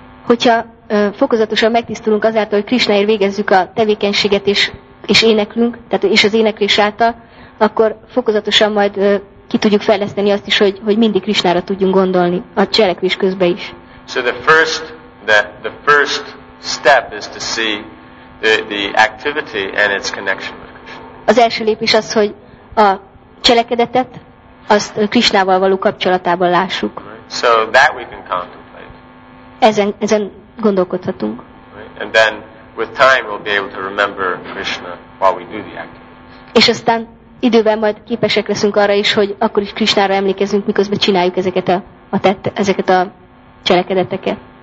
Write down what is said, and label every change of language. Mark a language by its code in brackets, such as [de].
[hu] hogyha fokozatosan megtisztulunk azáltal, hogy Krishnáért végezzük a tevékenységet és éneklünk, tehát és az éneklés által, akkor fokozatosan majd ki tudjuk fejleszteni azt is, hogy mindig Krishnára tudjunk gondolni a cselekvés közben is. [en] So the first step is to see the activity and its connection with Krishna. [hu] Az első lépés az, hogy a cselekedetet azt Krishnával való kapcsolatában lássuk. [en] Right. So that we can contemplate. [hu] Ezen gondolkodhatunk. [en] Right. And then with time we'll be able to remember Krishna while we do the activities. [hu] És aztán idővel majd képesek leszünk arra is, hogy akkor is Krishnára emlékezünk, miközben csináljuk ezeket a cselekedeteket.